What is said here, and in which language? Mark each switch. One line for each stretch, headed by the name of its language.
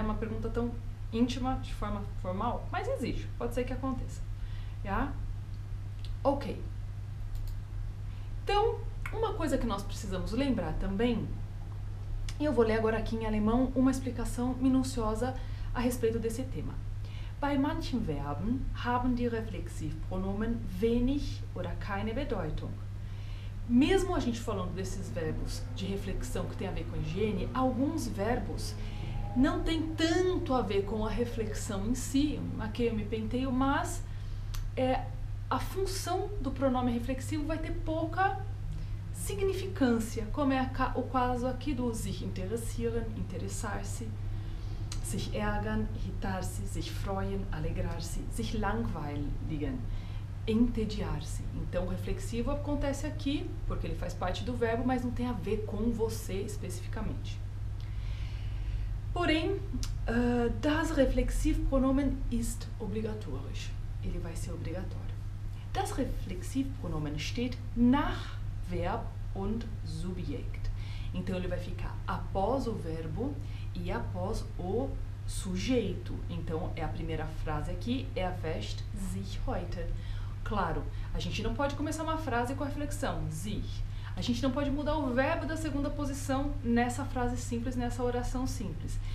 Portuguese: Uma pergunta tão íntima de forma formal, mas existe, pode ser que aconteça. Já? Ok. Então, uma coisa que nós precisamos lembrar também. E eu vou ler agora aqui em alemão uma explicação minuciosa a respeito desse tema.
German: Bei manchen Verben haben die Reflexivpronomen wenig oder keine Bedeutung.
Portuguese: Mesmo a gente falando desses verbos de reflexão que tem a ver com higiene, alguns verbos não têm tanto a ver com a reflexão em si, aqui eu me penteio, mas a função do pronome reflexivo vai ter pouca significância, como é o caso aqui do
German: sich interessieren,
Portuguese: interessar-se,
German: sich ärgern,
Portuguese: irritar-se,
German: sich freuen,
Portuguese: alegrar-se,
German: sich langweiligen,
Portuguese: entediar-se. Então, o reflexivo acontece aqui, porque ele faz parte do verbo, mas não tem a ver com você especificamente. Porém,
German: das Reflexivpronomen ist obligatorisch.
Portuguese: Ele vai ser obrigatório.
German: Das Reflexivpronomen steht nach Verb und Subjekt.
Portuguese: Então ele vai ficar após o verbo e após o sujeito. Então é a primeira frase aqui,
German: er wäscht sich heute.
Portuguese: Claro, a gente não pode começar uma frase com a reflexão, sich. A gente não pode mudar o verbo da segunda posição nessa frase simples, nessa oração simples.